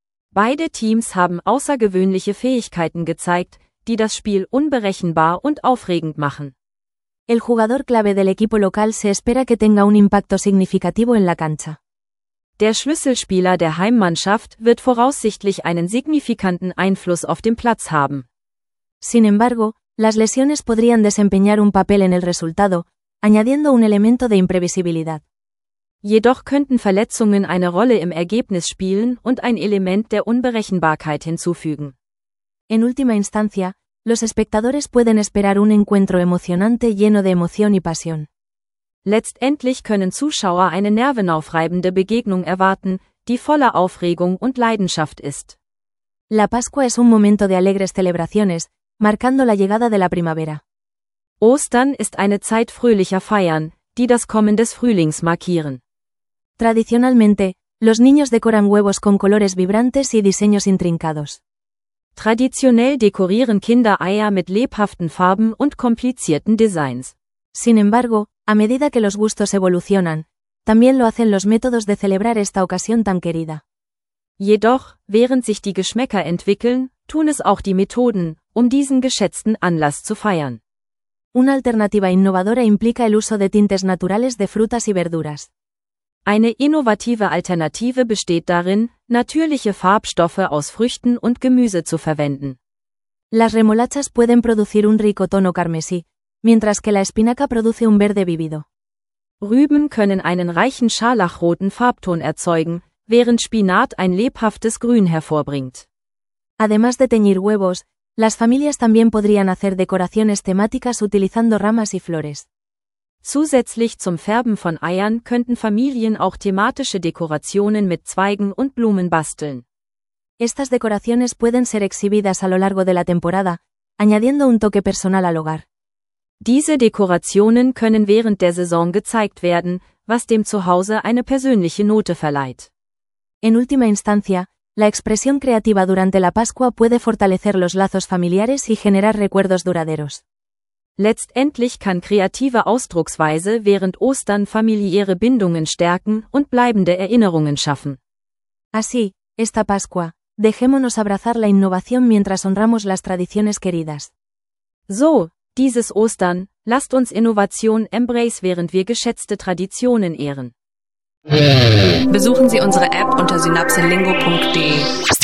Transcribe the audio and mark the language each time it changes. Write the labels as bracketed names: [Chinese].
[German] Beide Teams haben außergewöhnliche Fähigkeiten gezeigt, die das Spiel unberechenbar und aufregend machen. [Spanish] El jugador clave del equipo local se espera que tenga un impacto significativo en la cancha. [German] Der Schlüsselspieler der Heimmannschaft wird voraussichtlich einen signifikanten Einfluss auf den Platz haben. [Spanish] Sin embargo, las lesiones podrían desempeñar un papel en el resultado, añadiendo un elemento de imprevisibilidad. [German] Jedoch könnten Verletzungen eine Rolle im Ergebnis spielen und ein Element der Unberechenbarkeit hinzufügen. [Spanish] En última instancia, los espectadores pueden esperar un encuentro emocionante lleno de emoción y pasión. [German] Letztendlich können Zuschauer eine nervenaufreibende Begegnung erwarten, die voller Aufregung und Leidenschaft ist. [Spanish] La Pascua es un momento de alegres celebraciones, marcando la llegada de la primavera. [German] Ostern ist eine Zeit fröhlicher Feiern, die das Kommen des Frühlings markieren. [Spanish] Tradicionalmente, los niños decoran huevos con colores vibrantes y diseños intrincados. [German] Traditionell dekorieren Kinder Eier mit lebhaften Farben und komplizierten Designs. [Spanish] Sin embargo, a medida que los gustos evolucionan, también lo hacen los métodos de celebrar esta ocasión tan querida. [German] Jedoch, während sich die Geschmäcker entwickeln, tun es auch die Methoden, um diesen geschätzten Anlass zu feiern. [Spanish] Una alternativa innovadora implica el uso de tintes naturales de frutas y verduras. [German] Eine innovative Alternative besteht darin, natürliche Farbstoffe aus Früchten und Gemüse zu verwenden. [Spanish] Las remolachas pueden producir un rico tono carmesí, mientras que la espinaca produce un verde vívido. [German] Rüben können einen reichen scharlachroten Farbton erzeugen, während Spinat ein lebhaftes Grün hervorbringt. [Spanish] Además de teñir huevos, las familias también podrían hacer decoraciones temáticas utilizando ramas y flores. [German] Zusätzlich zum Färben von Eiern könnten Familien auch thematische Dekorationen mit Zweigen und Blumen basteln. [Spanish] Estas decoraciones pueden ser exhibidas a lo largo de la temporada, añadiendo un toque personal al hogar. [German] Diese Dekorationen können während der Saison gezeigt werden, was dem Zuhause eine persönliche Note verleiht. [Spanish] En última instancia, la expresión creativa durante la Pascua puede fortalecer los lazos familiares y generar recuerdos duraderos. [German] Letztendlich kann kreative Ausdrucksweise während Ostern familiäre Bindungen stärken und bleibende Erinnerungen schaffen. [Spanish] Así, esta Pascua, dejémonos abrazar la innovación mientras honramos las tradiciones queridas. [German] So, dieses Ostern, lasst uns Innovation embrace, während wir geschätzte Traditionen ehren. Besuchen Sie unsere App unter synapsenlingo.de.